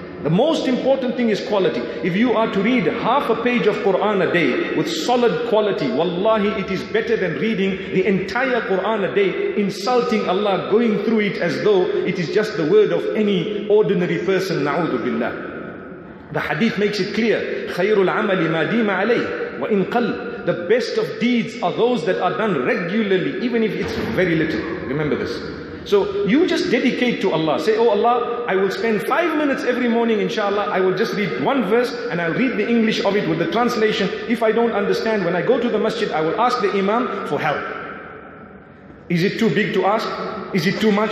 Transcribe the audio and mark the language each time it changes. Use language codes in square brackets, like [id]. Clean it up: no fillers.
[en] The most important thing is quality. If you are to read half a page of Qur'an a day with solid quality, wallahi, it is better than reading the entire Qur'an a day, insulting Allah, going through it as though it is just the word of any ordinary person, na'udhu billah. [ar] The hadith makes it clear, خَيْرُ الْعَمَلِ مَا دِيمَ عَلَيْهِ وَإِنْ قَلْ. [en] The best of deeds are those that are done regularly, even if it's very little. Remember this. So you just dedicate to Allah. Say, oh Allah, I will spend 5 minutes every morning, inshallah. I will just read one verse and I'll read the English of it with the translation. If I don't understand, when I go to the masjid, I will ask the imam for help. Is it too big to ask? Is it too much?